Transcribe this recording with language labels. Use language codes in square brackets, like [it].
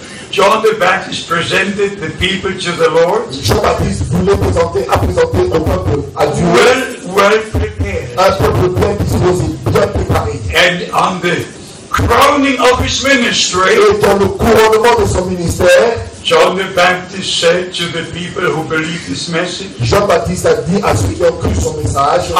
[en] John the Baptist presented the people to the Lord. [fr] Jean-Baptiste voulait présenter, a présenté au peuple à Dieu. [en] Well, well prepared. [fr] Un peuple bien disposé, bien préparé. [en] And on the crowning of his ministry. [fr] Et dans le couronnement de son ministère, [en] John the Baptist said to the people who believed his message. [fr] Jean-Baptiste a dit à ceux qui ont cru son message.